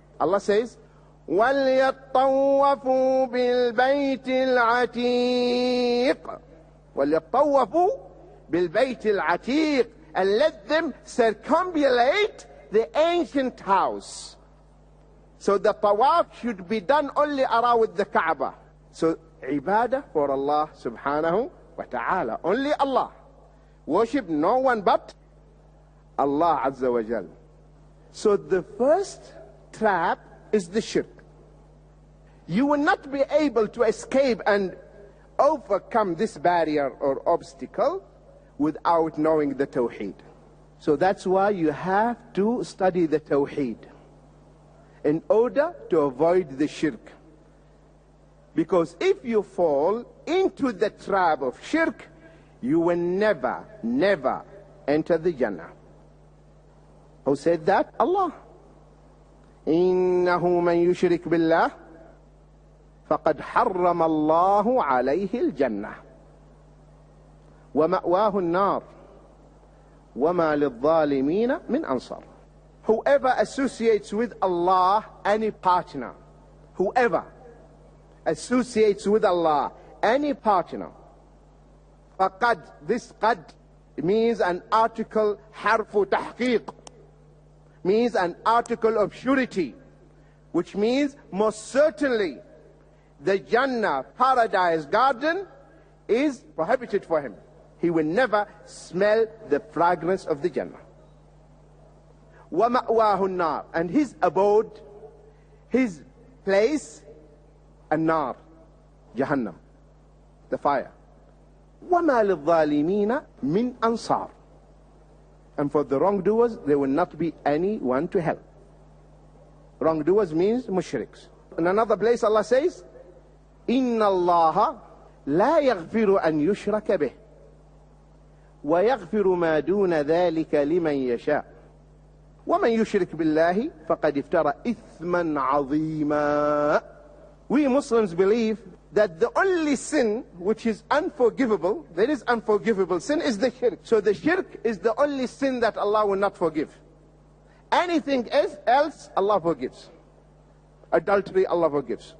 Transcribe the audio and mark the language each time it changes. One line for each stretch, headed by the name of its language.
Arabic: Allah says, وَلْيَطَّوَّفُوا بِالْبَيْتِ الْعَتِيقِ وَلْيَطَّوَّفُوا بِالْبَيْتِ الْعَتِيقِ.
English: And let them circumambulate the ancient house. So the tawaf should be done only around the Kaaba. So ibadah for Allah subhanahu wa ta'ala. Only Allah. Worship no one but Allah azza wa jal. So the first trap is the shirk. You will not be able to escape and overcome this barrier or obstacle without knowing the tawheed. So that's why you have to study the tawheed in order to avoid the shirk. Because if you fall into the trap of shirk, you will never, never enter the Jannah. Who said that? Allah.
Arabic: إنه من يشرك بالله فقد حرم الله عليه الجنة ومأواه النار وما للظالمين من أنصار.
English: Whoever associates with Allah any partner, whoever associates with Allah any partner, فقد, this قد means an article,
Arabic: حرف تحقيق,
English: means an article of surety, which means most certainly the Jannah, paradise garden, is prohibited for him. He will never smell the fragrance of the Jannah.
Arabic: وَمَأْوَاهُ النَّارِ,
English: and his abode, his place, النار, Jahannam, the fire.
Arabic: وَمَا لِلظَّالِمِينَ مِنْ أَنصَارٍ,
English: and for the wrongdoers, there will not be anyone to help. Wrongdoers means mushriks. In another place, Allah says,
Arabic: إِنَّ اللَّهَ لَا يَغْفِرُ أَنْ يُشْرَكَ بِهِ وَيَغْفِرُ مَا دُونَ ذَلِكَ لِمَنْ يَشَاءُ وَمَنْ يُشْرِكْ بِاللَّهِ فَقَدْ افْتَرَى إِثْمًا عَظِيمًا.
English: We Muslims believe that the only sin which is unforgivable, there is unforgivable sin, is the shirk. So the shirk is the only sin that Allah will not forgive. Anything else, Allah forgives. Adultery, Allah forgives.